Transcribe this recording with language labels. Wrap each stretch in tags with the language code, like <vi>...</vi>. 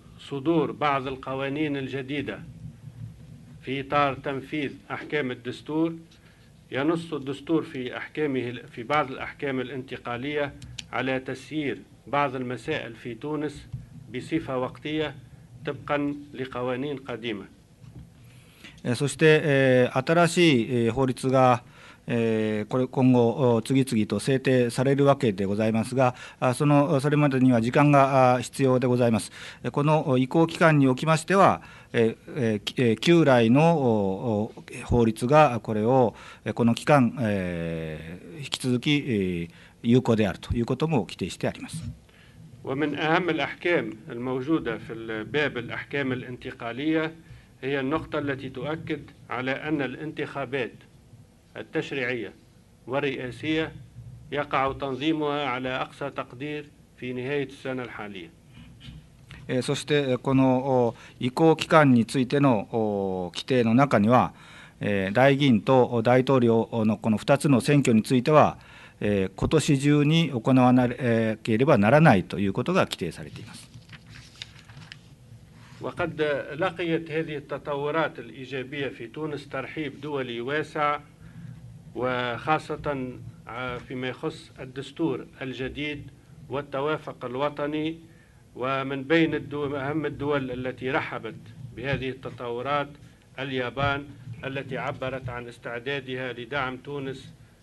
<ar>صدور بعض القوانين الجديدة في إطار تنفيذ أحكام الدستور ينص الدستور في أحكامه في بعض الأحكام الانتقالية على تسيير بعض المسائل في تونس بصفة وقتية طبقا لقوانين قديمة.</ar> <ja>そして新しい法律がこれ今後次々と制定されるわけでございますが、それまでには時間が必要でございます。この移行期間におきましては、旧来の法律がこれをこの期間引き続き有効であるということも規定してあります。</ja> <ar>ومن أهم الأحكام الموجودة في الباب الأحكام الانتقالية هي النقطة التي تؤكد على أن الانتخابات التشريعية والرئاسية يقع تنظيمها على أقصى تقدير في نهاية السنة الحالية。</ar> <ja>そしてこの移行期間についての規定の中には、大議員と大統領のこの2つの選挙については今年中に行わなければならないということが規定されています。</ja> <ar>وقد لقيت هذه التطورات الإيجابية في تونس ترحيب دولي واسع وخاصة فيما يخص الدستور الجديد والتوافق الوطني ومن بين أهم الدول التي رحبت بهذه التطورات اليابان التي عبرت عن استعدادها لدعم تونس</ar>